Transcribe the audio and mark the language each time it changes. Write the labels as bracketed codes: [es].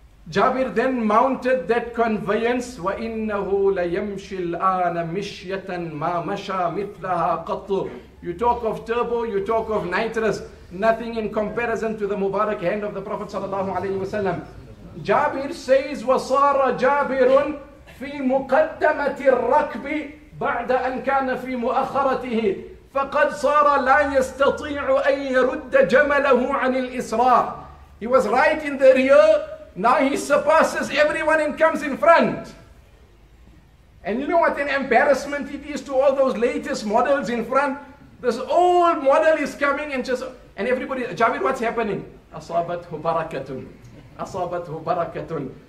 [en] Jabir then mounted that conveyance. [ar] وَإِنَّهُ لَيَمْشِ الْآنَ مِشْيَةً مَا مَشَى مِثْلَهَا قَطُّ. [en] You talk of turbo, you talk of nitrous, nothing in comparison to the Mubarak hand of the Prophet Sallallahu Alaihi Wasallam. Jabir says, [ar] وَصَارَ جَابِرٌ فِي مُقَدَّمَةِ الرَّكْبِ بَعْدَ أَنْ كَانَ فِي مُؤَخَّرَتِهِ فَقَدْ صَارَ لَا يَسْتَطِيعُ أَنْ يَرُدَّ جَمَلَهُ عَنِ الْإِسْرَارِ. [en] He was right in the rear, now he surpasses everyone and comes in front. And you know what an embarrassment it is to all those latest models in front? This old model is coming and just, and everybody, Jabir, what's happening? [ar] أَصَابَتْهُ بَرَكَةٌ أَصَابَتْهُ بَرَكَةٌ.